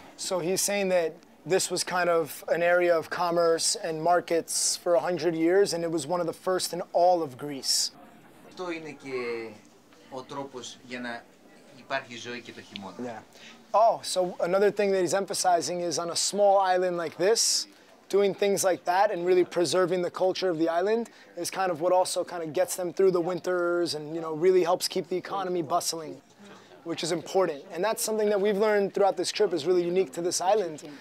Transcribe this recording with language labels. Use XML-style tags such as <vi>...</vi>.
<en>So he's saying that this was kind of an area of commerce and markets for 100 years, and it was one of the first in all of Greece.</en> <el>Αυτό είναι και ο τρόπος για να υπάρχει ζωή και το χειμώνα.</el> <en>Yeah. Oh, so another thing that he's emphasizing is on a small island like this, doing things like that and really preserving the culture of the island is kind of what also kind of gets them through the winters and, you know, really helps keep the economy bustling, which is important. And that's something that we've learned throughout this trip is really unique to this island.</en>